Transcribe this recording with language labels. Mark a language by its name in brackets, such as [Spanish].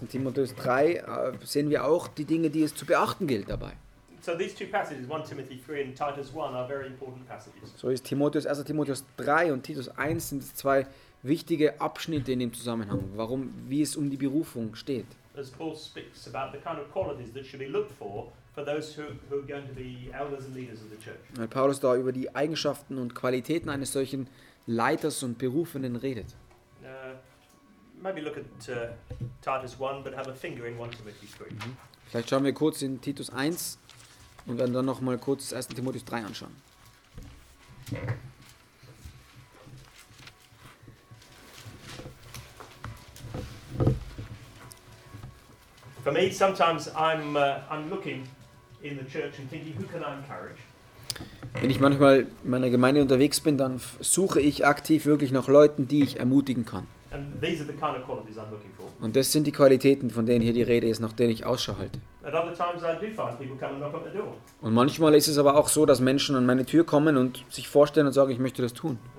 [German] Timotheus 3 sehen wir auch die Dinge, die es zu beachten gilt dabei. [English] So these two passages, 1 Timothy 3 and Titus 1, are very important passages. [German] So ist Timotheus, 1. Timotheus 3 und Titus 1 sind zwei wichtige Abschnitte in dem Zusammenhang, warum, wie es um die Berufung steht. [English] As Paul speaks about the kind of qualities that should be looked for those who are going to be elders and leaders of the church. [German] Weil Paulus da über die Eigenschaften und Qualitäten eines solchen Leiters und Berufenden redet. [English] Maybe look at Titus 1, but have a finger in 1 Timothy 3. Mm-hmm. [German] Vielleicht schauen wir kurz in Titus 1 und dann noch mal kurz 1. Timotheus 3 anschauen. Yeah. [English] For me, sometimes I'm looking in the church and thinking, who can I encourage? [German] Wenn ich manchmal in meiner Gemeinde unterwegs bin, dann suche ich aktiv wirklich nach Leuten, die ich ermutigen kann. [English] And these are the kind of qualities I'm looking for. [German] Und das sind die Qualitäten, von denen hier die Rede ist, nach denen ich Ausschau halte. [English] At other times I do find people come and knock on the door. [German] Und manchmal ist es aber auch so, dass Menschen an meine Tür kommen und sich vorstellen und sagen, ich möchte das tun.